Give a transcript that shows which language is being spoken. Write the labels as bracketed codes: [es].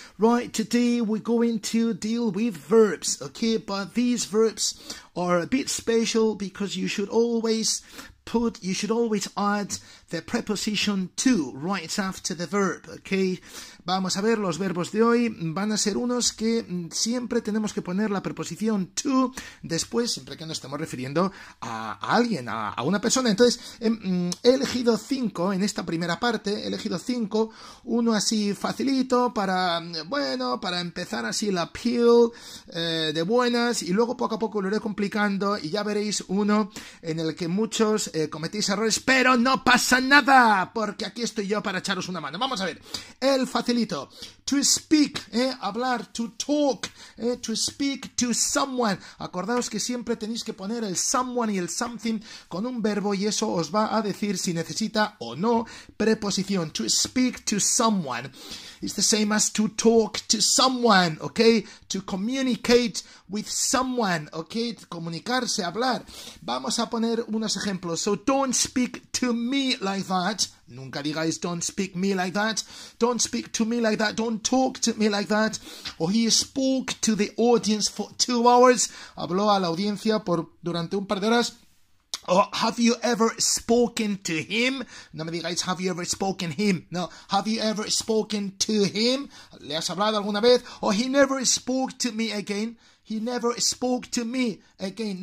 [en] Right, today we're going to deal with verbs, okay? But these verbs are a bit special because you should always add the preposition to right after the verb, okay? [es] Vamos a ver, los verbos de hoy van a ser unos que siempre tenemos que poner la preposición to después, siempre que nos estemos refiriendo a alguien, a una persona. Entonces, he elegido cinco en esta primera parte, he elegido cinco, uno así facilito para, bueno, para empezar así la peel de buenas, y luego poco a poco lo iré complicando y ya veréis uno en el que muchos cometéis errores, pero no pasa nada, porque aquí estoy yo para echaros una mano. Vamos a ver, el facilito. [en] To speak, [es] hablar, [en] to talk, to speak to someone. [es] Acordaos que siempre tenéis que poner el someone y el something con un verbo y eso os va a decir si necesita o no preposición. [en] To speak to someone. It's the same as to talk to someone, okay? To communicate with someone, okay? [es] Comunicarse, hablar. Vamos a poner unos ejemplos. [en] So don't speak to me like that. [es] Nunca digáis [en] don't speak me like that. Don't speak to me like that. Don't talk to me like that. Or he spoke to the audience for 2 hours. [es] Habló a la audiencia durante un par de horas. [en] Or have you ever spoken to him? [es] No me digáis [en] have you ever spoken him. No, have you ever spoken to him? [es] ¿Le has hablado alguna vez? [en] Or he never spoke to me again. He never spoke to me again.